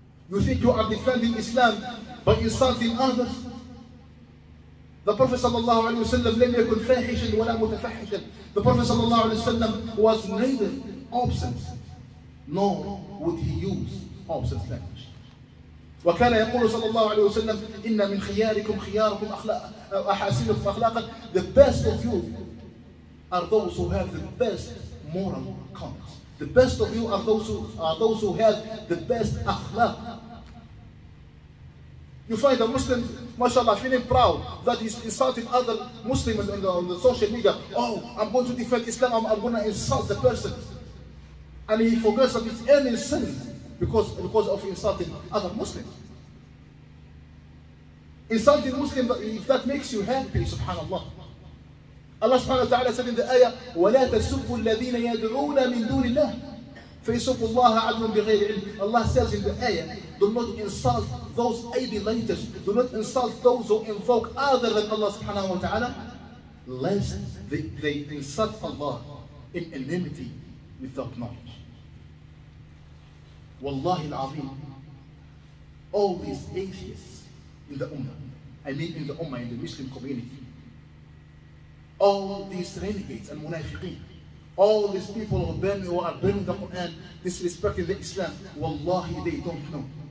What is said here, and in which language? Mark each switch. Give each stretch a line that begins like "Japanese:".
English: You think you are defending Islam by insulting others? The Prophet sallallahu alayhi wa sallam
Arabic: لَمْ يَكُنْ فَاحِشًا وَلَا مُتَفَاحِشًا.
English: The Prophet sallallahu alayhi wa sallam was neither obscene, nor would he use obscene language.
Arabic: وكان يقول صلى الله عليه وسلم إن من خياركم خياركم أخلاق أحاسنكم أخلاقا.
English: The best of you are those who have the best more and more comments. The best of you are those who have the best akhlaq. You find a Muslim, mashallah, feeling proud that he's insulting other Muslims on the social media. Oh, I'm going to defend Islam, I'm going to insult the person. And he forgets that it's any sin because of insulting other Muslims. Insulting Muslim, if that makes you happy, subhanAllah. Allah subhanahu wa ta'ala said in the ayah,
Arabic: وَلَا تَسُبُّوا الَّذِينَ يَدْعُونَ مِن دُونِ اللَّهِ فَيْسُبُّوا اللَّهَ عَدْلٌ بِغَيْرِ عِلْمٍ.
English: Allah says in the ayah, do not insult those idolaters, do not insult those who invoke other than Allah subhanahu wa ta'ala, lest they insult Allah in enmity without knowledge. Wallahi al-azim, all these atheists in the ummah, I mean in the ummah, in the Muslim community, all these renegades and munafiqeen, all these people who are burning the Quran, disrespecting the Islam, wallahi they don't know.